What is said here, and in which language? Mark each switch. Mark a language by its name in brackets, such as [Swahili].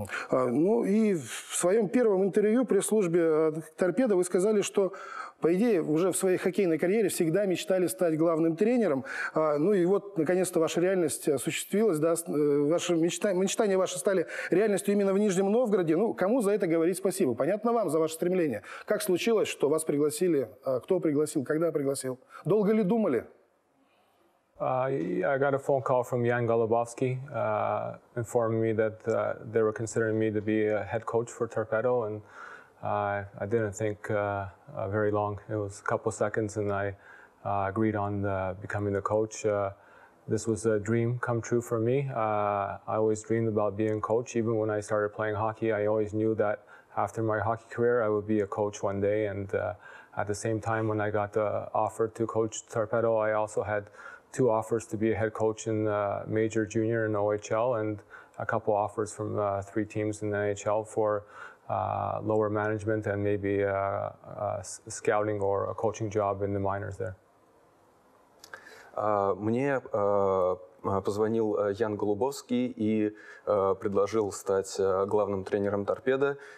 [Russian] Ну и в своем первом интервью при службе «Торпедо» вы сказали, что, по идее, уже в своей хоккейной карьере всегда мечтали стать главным тренером. Ну и вот, наконец-то, ваша реальность осуществилась, да? Ваши мечтания ваши стали реальностью именно в Нижнем Новгороде. Ну, кому за это говорить спасибо? Понятно вам за ваше стремление. Как случилось, что вас пригласили? Кто пригласил? Когда пригласил? Долго ли думали? [English] I got a phone call from Jan Golubovsky, informing me that they were considering me to be a head coach for Torpedo, and I didn't think very long. It was a couple seconds, and I agreed on becoming the coach. This was a dream come true for me. I always dreamed about being a coach. Even when I started playing hockey, I always knew that after my hockey career, I would be a coach one day. And at the same time, when I got the offer to coach Torpedo, I also had two offers to be a head coach in major, junior, and OHL, and a couple offers from three teams in the NHL for lower management and maybe a scouting or a coaching job in the minors there. [Russian] Мне позвонил Ян Голубовский и предложил стать главным тренером Торпедо.